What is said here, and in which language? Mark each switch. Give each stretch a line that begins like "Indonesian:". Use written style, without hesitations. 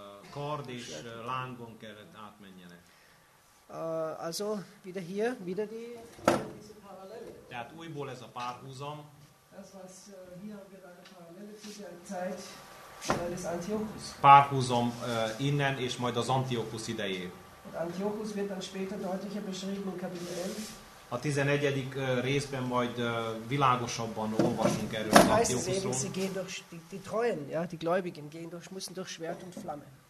Hungarian: Kard és lángon kellett átmenjenek.
German: Also wieder hier, wieder die diese Parallele.
Hungarian: Tehát újból ez a párhuzam.
German: Das was hier wird eine Parallele zu der Zeit des Antiochus.
Hungarian: Párhuzam innen és majd az Antiochus idejé.
German: Antiochus wird dann später deutlicher beschrieben in Kapitel 11.
Hungarian: A 11. Részben majd világosabban olvasunk erről az Antiochusról.
German: Sie gehen durch die Treuen, ja, die Gläubigen gehen durch, müssen durch Schwert und Flamme.